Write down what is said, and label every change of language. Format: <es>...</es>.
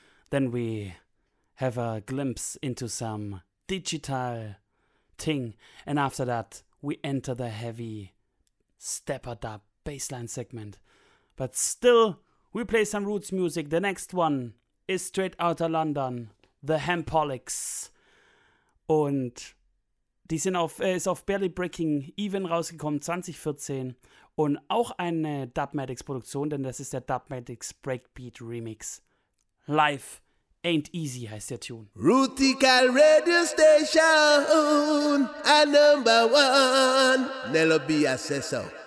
<en>Then we have a glimpse into some digital thing. And after that, we enter the heavy stepper dub bassline segment. But still, we play some roots music. The next one is straight out of London, the Hempolics.</en> <de>And die sind auf, ist auf Barely Breaking Even rausgekommen, 2014. Und auch eine Dubmatics-Produktion, denn das ist der Dubmatics Breakbeat-Remix live Ain't Easy heißt der Tune.</de> <en>Rootikal Radio Station, a number one. Nello B. Asesso.</en>